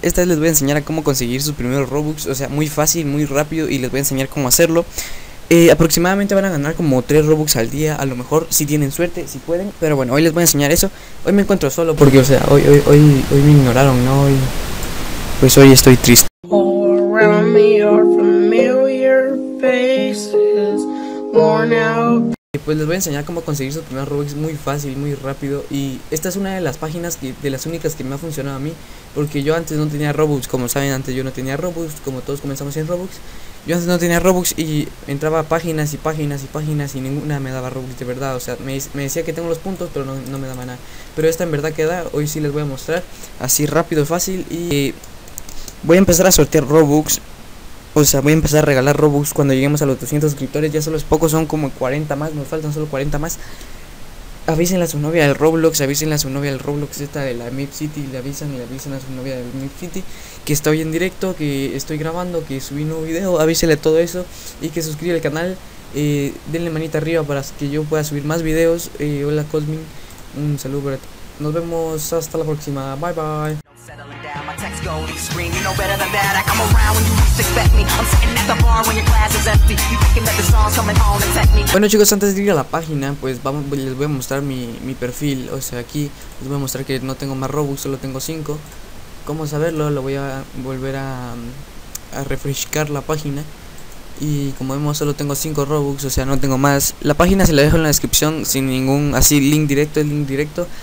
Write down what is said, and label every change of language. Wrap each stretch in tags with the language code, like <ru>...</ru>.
<es>Esta vez les voy a enseñar a cómo conseguir sus primeros Robux. O sea, muy fácil, muy rápido, y les voy a enseñar cómo hacerlo. Aproximadamente van a ganar como 3 Robux al día, a lo mejor, si tienen suerte, si pueden. Pero bueno, hoy les voy a enseñar eso. Hoy me encuentro solo porque, o sea, hoy me ignoraron, ¿no? Hoy, pues hoy estoy triste.</es> <en>All around me are familiar faces, worn out.</en> <es>Pues les voy a enseñar cómo conseguir sus primeros Robux muy fácil, muy rápido. Y esta es una de las páginas que, de las únicas que me ha funcionado a mí, porque yo antes no tenía Robux. Como saben, antes yo no tenía Robux, como todos comenzamos sin Robux. Yo antes no tenía Robux y entraba a páginas y páginas y páginas y ninguna me daba Robux de verdad. O sea, me decía que tengo los puntos, pero no me daba nada. Pero esta en verdad que da, hoy sí les voy a mostrar así rápido, fácil. Y voy a empezar a sortear Robux. O sea, voy a empezar a regalar Robux cuando lleguemos a los 200 suscriptores. Ya solo es poco, son como 40 más, nos faltan solo 40 más. Avísenle a su novia del Roblox, avísenle a su novia del Roblox esta de la Mip City. Le avisan a su novia del Mip City que está hoy en directo, que estoy grabando, que subí un nuevo video. Avísenle todo eso y que suscriba al canal. Denle manita arriba para que yo pueda subir más videos. Hola Cosmin, un saludo para ti. Nos vemos hasta la próxima, bye bye.</es> <en>You know better than that. I come around when you least expect me. I'm sitting at the bar when your glass is empty. You thinking that the song's coming home to text me.</en> <es>Bueno chicos, antes de ir a la página, pues vamos, les voy a mostrar mi perfil. O sea, aquí les voy a mostrar que no tengo más Robux, solo tengo 5. ¿Cómo saberlo? Lo voy a volver a refrescar la página. Y como vemos, solo tengo 5 Robux, o sea, no tengo más. La página se la dejo en la descripción sin ningún así link directo.</es>